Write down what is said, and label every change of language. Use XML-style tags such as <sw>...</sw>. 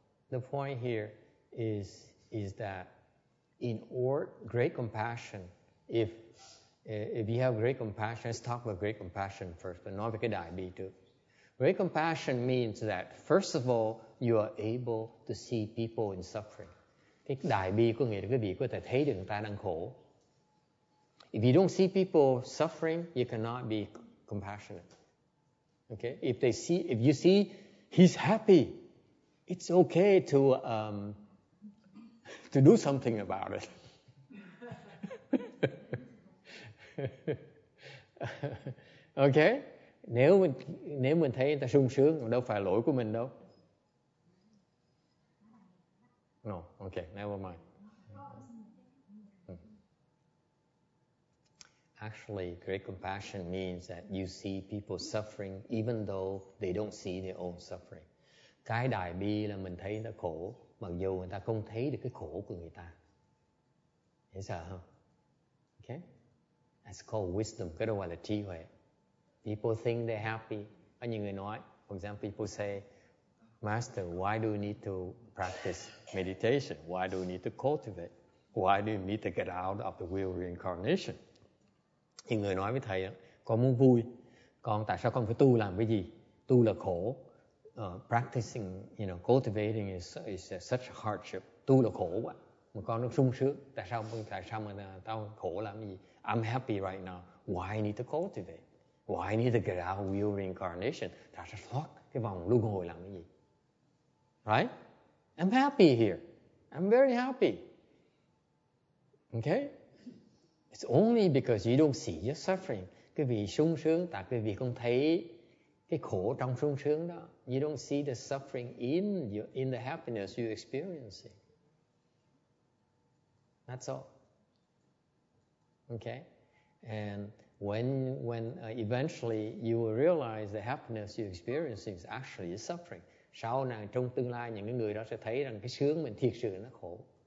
<en>The point here is that in great compassion, if you have great compassion, let's talk about great compassion first, but not because I be too. Great compassion means that, first of all, you are able to see people in suffering.</en> <vi>Cái đại bi có nghĩa là quý vị có thể thấy được người ta đang khổ.</vi> <en>If you don't see people suffering, you cannot be compassionate. Okay? If you see he's happy, it's okay to do something about it. Okay?</en> <vi>Nếu mình thấy người ta sung sướng, đâu phải lỗi của mình đâu.</vi> <en>No, okay, never mind. Actually, great compassion means that you see people suffering even though they don't see their own suffering.</en> <vi>Cái đại bi là mình thấy người ta khổ, mặc dù người ta không thấy được cái khổ của người ta. Hiểu sợ không? Huh? Ok.</vi> <en>Okay? That's called wisdom.</en> <vi>Cái đó gọi là trí huệ.</vi> <en>People think they're happy.</en> <vi>Có nhiều người nói,</vi> <en>for example, people say, Master, why do you need to practice meditation? Why do you need to cultivate? Why do you need to get out of the wheel of reincarnation?</en> <vi>Thì người nói với thầy, con muốn vui. Con tại sao con phải tu làm cái gì? Tu là khổ.</vi> <en>Practicing, you know, cultivating is such a hardship.</en> <vi>Tu là khổ quá. Mà con nó sung sướng. Tại sao mà tao khổ làm cái gì?</vi> <en>I'm happy right now. Why need to cultivate? Why need to get out of wheel of reincarnation?</en> <vi>Tại sao thoát cái vòng luân hồi làm cái gì?</vi> <en>Right? I'm happy here. I'm very happy. Okay? It's only because you don't see your suffering.</en> <vi>Cái vì sung sướng, tại cái vì không thấy cái khổ trong sung sướng đó.</vi> <en>You don't see the suffering in the happiness you're experiencing. That's all. Okay? And when eventually you will realize the happiness you're experiencing is actually suffering.</en> <vi>Sau này, trong tương lai, những người đó sẽ thấy rằng cái sướng mình thiệt sự nó khổ.</vi>